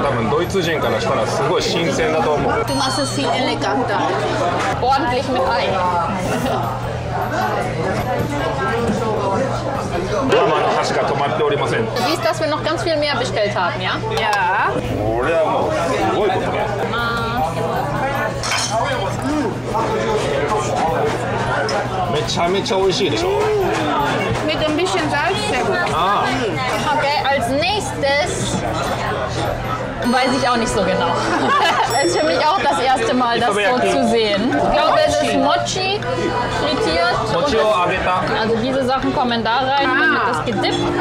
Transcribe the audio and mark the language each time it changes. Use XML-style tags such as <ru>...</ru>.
<ja>ドイツ人からしたらすごい新鮮だと思う。</ja> <de>Du machst es viel eleganter. Ordentlich mit Ei.</de> <ja>ママの箸が止まっておりません。</ja> <de>Du siehst, dass wir noch ganz viel mehr bestellt haben, ja? Ja.</de> <ja>これはもうすごいことね。めちゃめちゃ美味しいでしょ。</ja> <de>Mit ein bisschen Salz, sehr gut. Okay, als nächstes weiß ich auch nicht so genau. Es ist für mich auch das erste Mal, das so zu sehen. Ich glaube, es ist Mochi frittiert.</de> <ja>Mochi o ageta.</ja> <de>Also diese Sachen kommen da rein, dann wird das gedippt.</de>